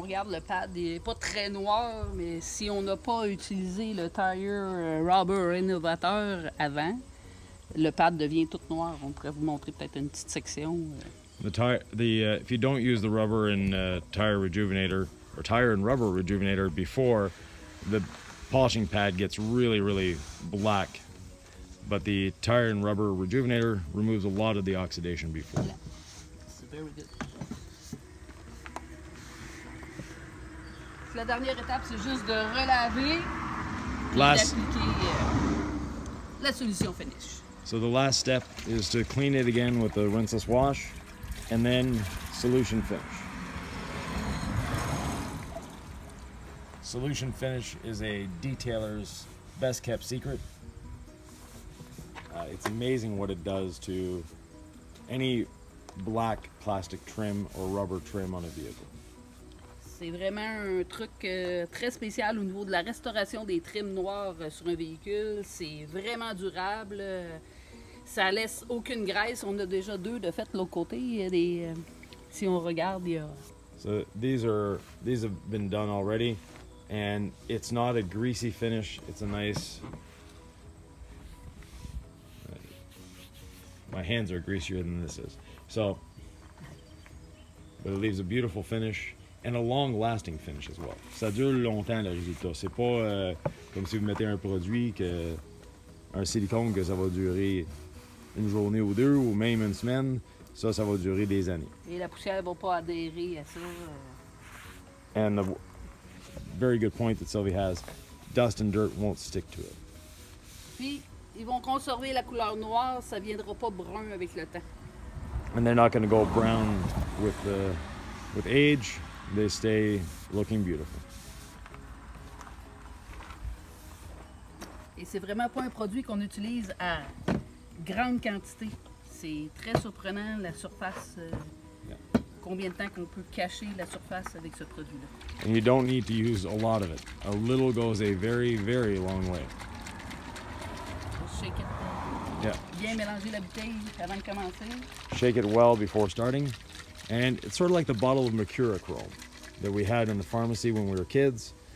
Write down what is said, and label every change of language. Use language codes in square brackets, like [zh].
[fr] Le pad n'est pas très noir, mais si on n'a pas utilisé le tire rubber innovateur avant, le pad devient tout noir. On pourrait vous montrer peut-être une petite section. [en] If you don't use the rubber and tire rejuvenator or tire and rubber rejuvenator before, the polishing pad gets really, really black. But the tire and rubber rejuvenator removes a lot of the oxidation before. Yeah. It's very good. [fr] La dernière étape, c'est juste de relaver et d'appliquer la solution finish. [en] So the last step is to clean it again with a rinseless wash and then solution finish. Solution finish is a detailer's best kept secret. It's amazing what it does to any black plastic trim or rubber trim on a vehicle. [fr] C'est vraiment un truc très spécial au niveau de la restauration des trims noirs sur un véhicule. C'est vraiment durable. Ça laisse aucune graisse. On a déjà deux de fait de l'autre côté. Si on regarde, il y a... [en] So these have been done already. And it's not a greasy finish. It's a nice... My hands are greasier than this is. So, but it leaves a beautiful finish. And a long-lasting finish as well. [fr] Ça dure longtemps le résultat. C'est pas comme si vous mettez un produit que un silicone que ça va durer une journée ou deux ou même une semaine. Ça, ça va durer des années. Et la poussière va pas adhérer à ça. [en] And a very good point that Sylvie has: dust and dirt won't stick to it. [fr] Puis ils vont conserver la couleur noire. Ça viendra pas brun avec le temps. [en] And they're not going to go brown with age. They stay looking beautiful. [fr] Et c'est vraiment pas un produit qu'on utilise à grande quantité. C'est très surprenant la surface. Combien de temps qu'on peut cacher la surface avec ce produit-là. [en] And you don't need to use a lot of it. A little goes a very, very long way. Shake it. [fr] Bien mélanger la bouteille avant de commencer. [en] Shake it well before starting. And it's sort of like the bottle of McKee chrome that we had in the pharmacy when we were kids.